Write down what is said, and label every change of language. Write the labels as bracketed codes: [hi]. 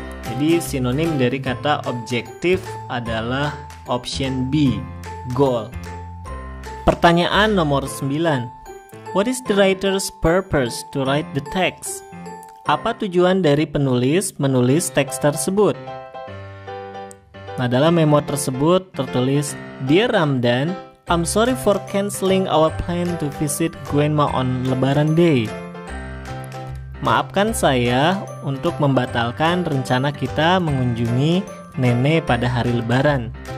[id] Jadi sinonim dari kata objective adalah option B, goal. Pertanyaan nomor 9. [en] What is the writer's purpose to write the text? [id] Apa tujuan dari penulis menulis teks tersebut? Nah, dalam memo tersebut tertulis, [en] Dear Ramdan, I'm sorry for canceling our plan to visit Grandma on Lebaran Day. [id] Maafkan saya untuk membatalkan rencana kita mengunjungi nenek pada hari Lebaran.